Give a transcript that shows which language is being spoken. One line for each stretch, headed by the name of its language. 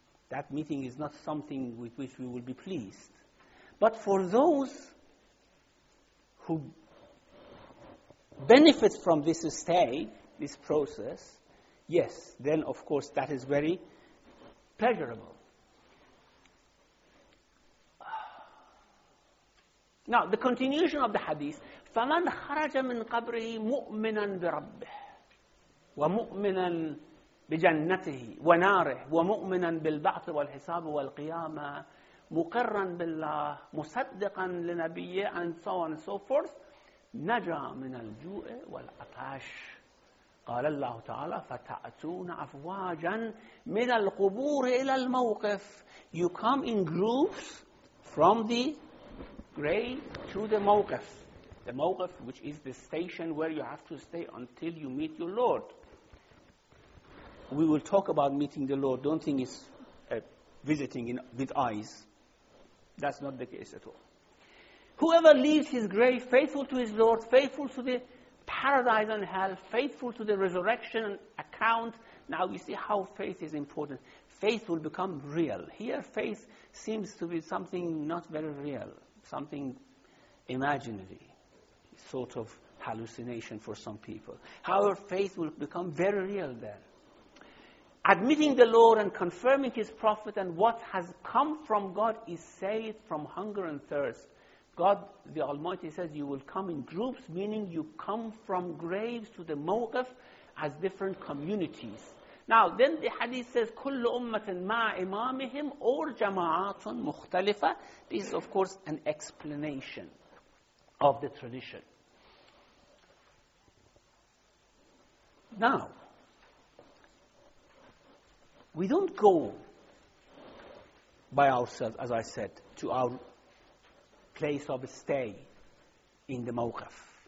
English: That meeting is not something with which we will be pleased. But for those who benefit from this stay, this process, yes, then of course that is very pleasurable. Now, the continuation of the hadith,
Arabic: فَمَنْ خَرَجَ مِنْ قَبْرِهِ مُؤْمِنًا بِرَبِّهِ وَمُؤْمِنًا بِجَنَّتِهِ وَنَارِهِ وَمُؤْمِنًا بِالْبَعْثِ وَالْحِسَابِ وَالْقِيَامَةِ مُقِرًّا بِاللَّهِ مُصَدِّقًا لِنَبِيِّهِ
English: and so on and so forth,
Arabic: نجا من الجوع والعطش قال الله تعالى فتأتون أفواجا من القبور إلى الموقف.
English: You come in groups from the grave to the موقف, the mawqif, which is the station where you have to stay until you meet your Lord. We will talk about meeting the Lord. Don't think it's visiting with eyes. That's not the case at all. Whoever leaves his grave faithful to his Lord, faithful to the paradise and hell, faithful to the resurrection account. Now you see how faith is important. Faith will become real. Here faith seems to be something not very real, something imaginary, sort of hallucination for some people. However, faith will become very real there. Admitting the Lord and confirming his prophet and what has come from God is saved from hunger and thirst. God, the Almighty, says you will come in groups, meaning you come from graves to the mawqif as different communities. Now, then the hadith says,
Arabic: كل أمة مع إمامهم أو جماعات مختلفة.
English: This is, of course, an explanation of the tradition. Now, we don't go by ourselves, as I said, to our place of stay in the mawqif.